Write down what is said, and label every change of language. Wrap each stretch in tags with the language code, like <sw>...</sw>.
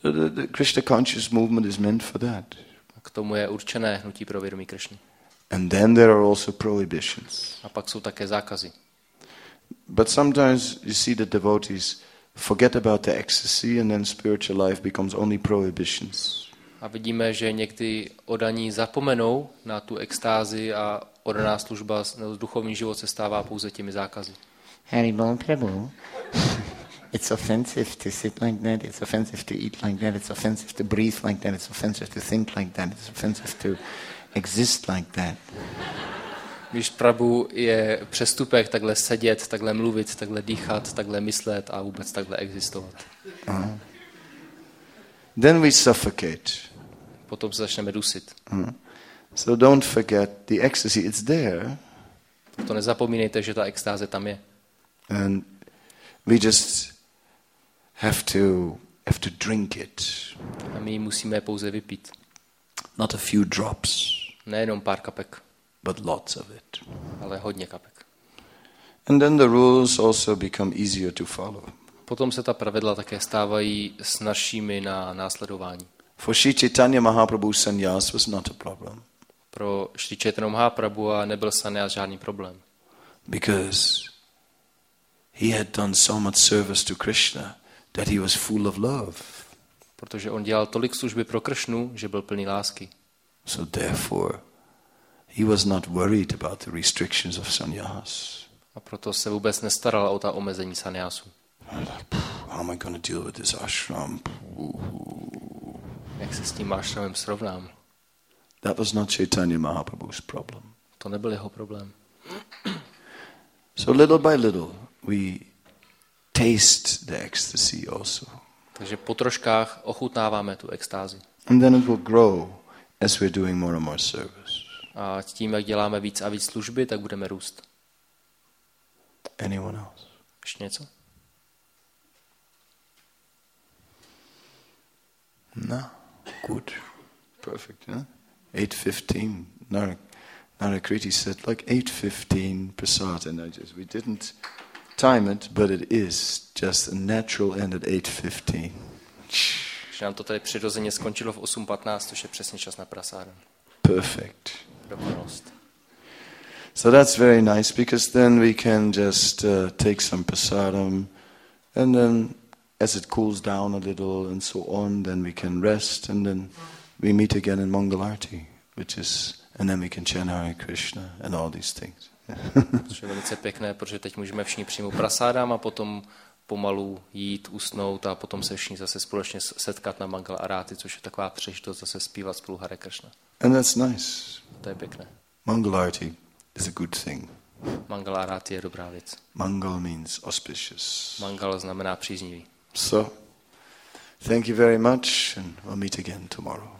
<en>The Krishna conscious movement is meant for that.</en> <cs>K tomu je určené hnutí pro vědomí Krishny.</cs> <en>And then there are also prohibitions.</en> <cs>A pak jsou také zákazy.</cs> <en>But sometimes you see the devotees forget about the ecstasy and then spiritual life becomes only prohibitions.</en> <cs>A vidíme, že někdy oddaní zapomenou na tu extázi a oddaná služba, duchovní život se stává pouze těmi zákazy.</cs> <en>Hari Bol Prabhu, it's offensive to sit like that, it's offensive to eat like that, it's offensive to breathe like that, it's offensive to think like that, it's offensive to exist like that.</en> <cs>Když Prabhu je přestupek takhle sedět, takhle mluvit, takhle dýchat, takhle myslet a vůbec takhle existovat.</cs> <en>Then we suffocate.</en> <cs>Potom se začneme dusit.</cs> <en>So don't forget the ecstasy, it's there.</en> <cs>To nezapomínejte, že ta extáze tam je.</cs> <en>And we just have to drink it.</en> <cs>A my musíme pouze vypít.</cs> <en>Not a few drops.</en> <cs>Nejenom pár kapek.</cs> <en>But lots of it.</en> <cs>Ale hodně kapek.</cs> <en>And then the rules also become easier to follow.</en> <cs>Potom se ta pravidla také stávají snazšími na následování.</cs> <en>For Sri Chaitanya Mahaprabhu sannyas was not a problem.</en> <cs>Pro Sri Chaitanya Mahaprabhu nebyl sannyas žádný problém.</cs> <en>Because he had done so much service to Krishna that he was full of love.</en> <cs>Protože on dělal tolik služby pro Kršnu, že byl plný lásky.</cs> <en>So therefore he was not worried about the restrictions of sannyas.</en> <cs>A proto se vůbec nestaral o ta omezení sannyasu.</cs> <en>How am I going to deal with this ashram?</en> <cs>Jak se s tím ashramem srovnám?</cs> <en>That was not Chaitanya Mahaprabhu's problem.</en> <cs>To nebyl jeho problém.</cs> <en>So little by little we taste the ecstasy also.</en> <cs>Takže po troškách ochutnáváme tu extázi.</cs> <en>And then it will grow as we're doing more and more service.</en> <cs>A tím, jak děláme víc a víc služby, tak budeme růst.</cs> <en>Anyone else?</en> <cs>Ještě něco?</cs> <en>No, good, perfect. Yeah? 8:15. Narakriti said like 8:15 prasad, and we didn't time it, but it is just a natural end at 8:15.</en> <cs>Že nám to tady přirozeně skončilo v 8:15, což je přesně čas na prasádem.</cs> <en>Perfect.</en> <cs>Dokonalost.</cs> <en>So that's very nice because then we can just take some prasadam, and then as it cools down a little and so on, then we can rest and then we meet again in Mangal Arati, which is, and then we can chant Hare Krishna and all these things.</en> <cs>Což je velice pěkné, protože teď můžeme všichni přijmout prasádám a potom pomalu jít, usnout a potom se všichni zase společně setkat na Mangal Arati, což je taková příležitost zase zpívat spolu Hare Krishna.</cs> <en>And that's nice.</en> <cs>To je pěkné.</cs> <en>Mangal Arati is a good thing.</en> <cs>Mangal Arati je dobrá věc.</cs> <en>Mangal means auspicious.</en> <cs>Mangal znamená příznivý.</cs> <en>So, thank you very much and we'll meet again tomorrow.</en>